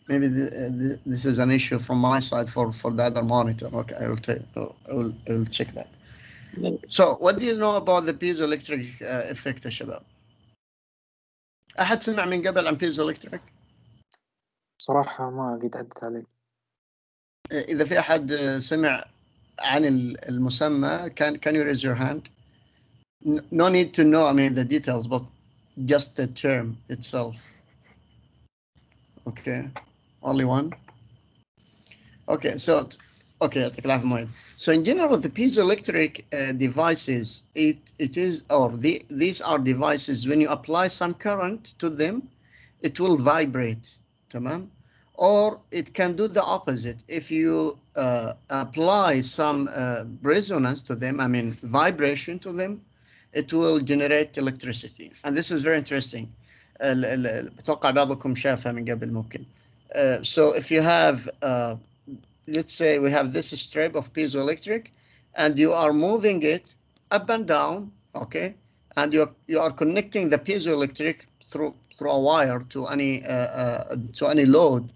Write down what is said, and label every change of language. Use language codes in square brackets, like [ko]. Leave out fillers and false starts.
[en] Maybe this is an issue from my side for the other monitor. Okay, I will check that. So, what do you know about the piezoelectric effect, Shabab? [ar] أحد سمع من قبل عن piezoelectric؟ صراحة ما قد حدث عليه. إذا في أحد سمع عن المسمى, [en] can you raise your hand? No need to know, I mean, the details, but just the term itself. Okay, only one. Okay, so in general, the piezoelectric devices, these are devices, when you apply some current to them, it will vibrate, tamam? Or it can do the opposite. If you apply some resonance to them, I mean, vibration to them, it will generate electricity. And this is very interesting. [ar] بتوقع بعضكم شافها من قبل ممكن. [en] So if you have, let's say we have this strip of piezoelectric and you are moving it up and down, okay? And you are connecting the piezoelectric through a wire to any load.